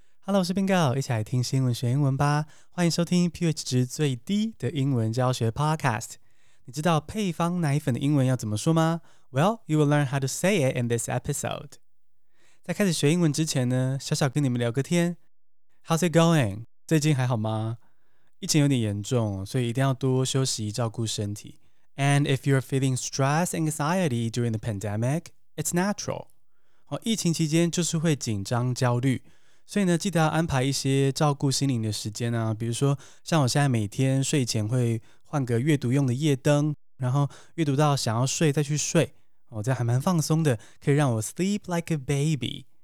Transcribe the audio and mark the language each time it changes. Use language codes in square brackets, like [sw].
[zh] Hello， 我是 Bingo， 一起来听新闻学英文吧。欢迎收听 pH 值最低的英文教学 Podcast。你知道配方奶粉的英文要怎么说吗 ？ [en] Well, you will learn how to say it in this episode。 [zh] 在开始学英文之前呢，小小跟你们聊个天。 [en] How's it going？ [zh] 最近还好吗？疫情有点严重，所以一定要多休息，照顾身体。 [en] And if you're feeling stress and anxiety during the pandemic, it's natural。 [zh] 哦，疫情期间就是会紧张焦虑。所以呢，记得要安排一些照顾心灵的时间啊，比如说像我现在每天睡前会换个阅读用的夜灯，然后阅读到想要睡再去睡，这样还蛮放松的，可以让我 [en] sleep like a baby。